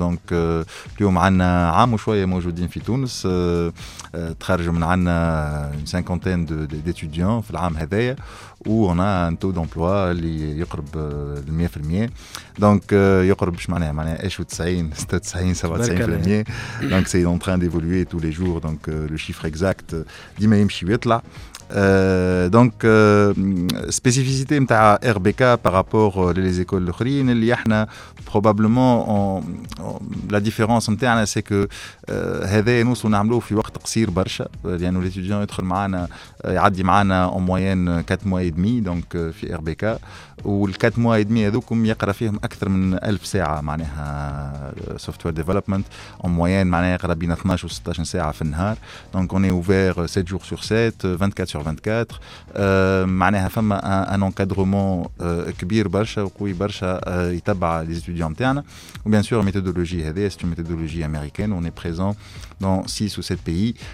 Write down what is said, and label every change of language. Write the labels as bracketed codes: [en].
[ar] دونك اليوم عندنا عام وشويه موجودين في تونس، تخرج من عندنا 50 ديتوديون في العام هذايا [fr] où on a un taux d'emploi qui [ar] يقرب 100%. Donc يقرب باش معناها ايش 96 97 97%. [fr] Donc c'est en train d'évoluer tous les jours, donc le chiffre exact [ar] ديما يمشي ويطلع. Donc spécificité نتاع RBK [fr] par rapport les écoles [ar] الاخرين اللي احنا [fr] probablement la différence [ar] نتاعنا [fr] c'est que [ar] هذا نوص نعملوه في وقت قصير برشا، لانه الاستوديان يدخل معنا يعدي معنا [fr] en moyenne 4 mois et demi donc [ar] في RBK، وال [fr] 4 mois et demi [ar] هذوكم يقرا فيهم اكثر من 1000 ساعه معناها [en] software development [fr] en moyenne، [ar] معناها يقرا بين 12 و 16 ساعه في النهار. [fr] donc on est ouvert 7 jours sur 7 24 sur 24 معناها فما un encadrement [ar] كبير برشا وقوي برشا يتبع الاستوديان تاعنا. وبيان سور méthodologie هذه [fr] c'est une méthodologie américaine، on est présent dans 6 ou 7 pays.